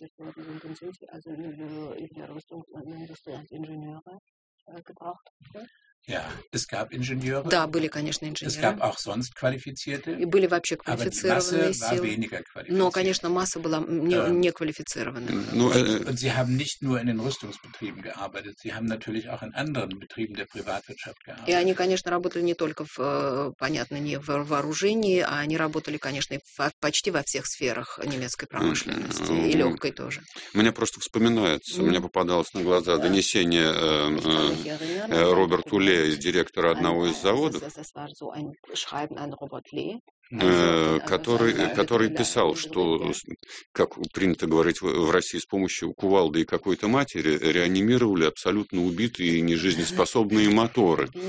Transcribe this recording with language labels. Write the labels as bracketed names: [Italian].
[Russian] Да, были, конечно, инженеры. И были вообще квалифицированные силы. Но, конечно, масса была не квалифицированная. [German] Und sie haben nicht nur in den Rüstungsbetrieben gearbeitet, sie haben natürlich auch in anderen Betrieben der Privatwirtschaft gearbeitet. [Russian] И они, конечно, работали не только в, понятно, не в вооружении, а они работали, конечно, почти во всех сферах немецкой промышленности и легкой тоже. Мне просто вспоминается, мне попадалось на глаза донесение Роберту Ле, директора одного из заводов, который писал, что, как принято говорить в России, с помощью кувалды и какой-то матери реанимировали абсолютно убитые и нежизнеспособные моторы.